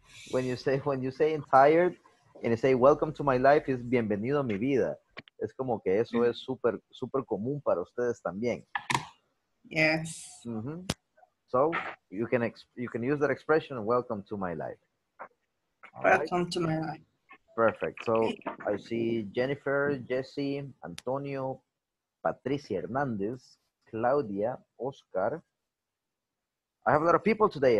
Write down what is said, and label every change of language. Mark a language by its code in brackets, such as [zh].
[en] When you say I'm tired and you say welcome to my life, it's [es] bienvenido a mi vida. Es como que eso es super, super común para ustedes también. [en] Yes. Mm-hmm. So you can use that expression, welcome to my life. All right. Welcome to my life. Perfect. So I see Jennifer, Jesse, Antonio, Patricia Hernandez, Claudia, Oscar. I have a lot of people today.